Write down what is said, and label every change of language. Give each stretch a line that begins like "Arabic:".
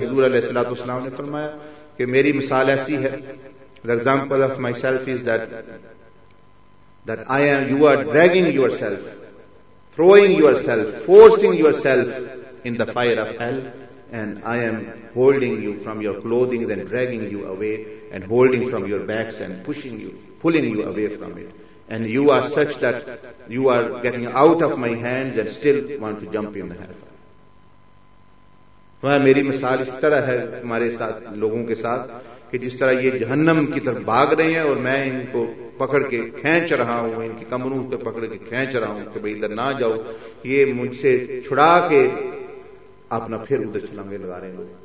Urdu: حضور علیہ الصلوۃ والسلام نے فرمایا کہ میری مثال ایسی ہے،
English: Example of myself is that I am, you are dragging yourself, throwing yourself, forcing yourself in the fire of hell, and I am holding you from your clothing and dragging you away and holding from your backs and pushing you, pulling you away from it. And you are such that you are getting out of my hands and still want to jump in the hellfire.
Urdu: وہاں میری مثال اس طرح ہے ہمارے ساتھ لوگوں کے ساتھ کہ جس طرح یہ جہنم کی طرف بھاگ رہے ہیں اور میں ان کو پکڑ کے کھینچ رہا ہوں، ان کی کمروں کو پکڑ کے کھینچ رہا ہوں کہ بھئی ادھر نہ جاؤ، یہ مجھ سے چھڑا کے اپنا پھر ادھر چھلانگے لگا رہے ہیں.